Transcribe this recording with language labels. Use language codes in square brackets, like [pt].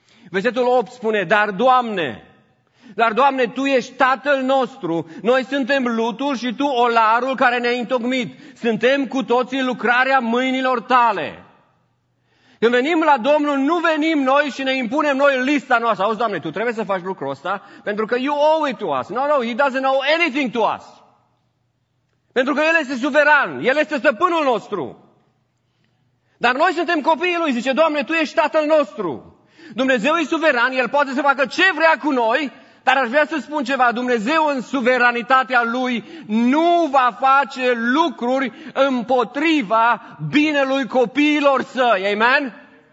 [ro] Versetul 8 spune, Dar Doamne, Tu ești Tatăl nostru, noi suntem lutul și Tu olarul care ne-ai întocmit. Suntem cu toții lucrarea mâinilor Tale. Când venim la Domnul, nu venim noi și ne impunem noi lista noastră. Auzi, Doamne, Tu trebuie să faci lucrul ăsta pentru că [en] You owe it to us. No, He doesn't owe anything to us. [ro] Pentru că El este suveran, El este stăpânul nostru. Dar noi suntem copiii Lui, zice, Doamne, Tu ești Tatăl nostru. Dumnezeu e suveran, El poate să facă ce vrea cu noi, dar aș vrea să spun ceva, Dumnezeu în suveranitatea Lui nu va face lucruri împotriva binelui copiilor Săi. Amen?